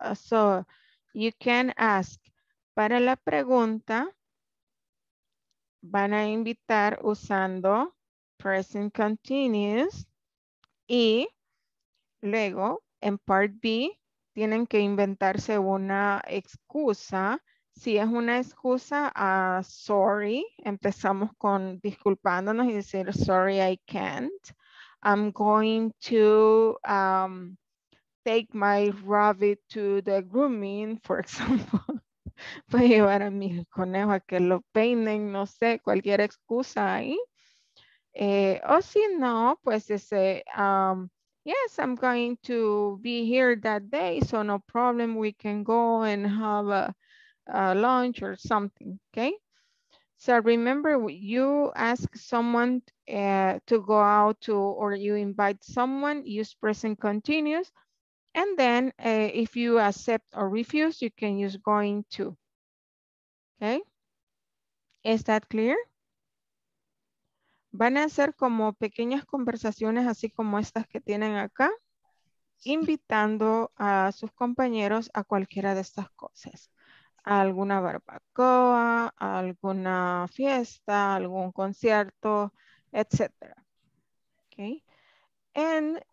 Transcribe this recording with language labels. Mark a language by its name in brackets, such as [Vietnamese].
[English] So you can ask, [Spanish] para la pregunta, van a invitar usando present continuous y luego en part B tienen que inventarse una excusa. Si es una excusa, sorry, empezamos con disculpándonos y decir, [English] sorry, I can't. I'm going to take my rabbit to the grooming, for example. [Spanish] Voy a llevar a mi conejo a que lo peinen, no sé, cualquier excusa ahí. O si no, pues ese, [English] yes, I'm going to be here that day, so no problem, we can go and have a lunch or something, okay? So remember, you ask someone to go out to, or you invite someone, use present continuous. And then if you accept or refuse, you can use going to. Okay. Is that clear? [Spanish] Van a hacer como pequeñas conversaciones, así como estas que tienen acá, invitando a sus compañeros a cualquiera de estas cosas. Alguna barbacoa, alguna fiesta, algún concierto, etc. Okay. And